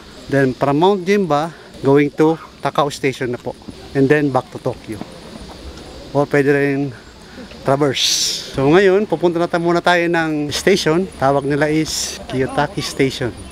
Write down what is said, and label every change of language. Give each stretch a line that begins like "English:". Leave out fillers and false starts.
English: Then from Mount Jimba going to Takaw Station na po. And then back to Tokyo.
Filipino: Or pwede rin traverse. So ngayon, pupunta na tayo muna tayo ng station. Tawag nila is Kiyotaki Station.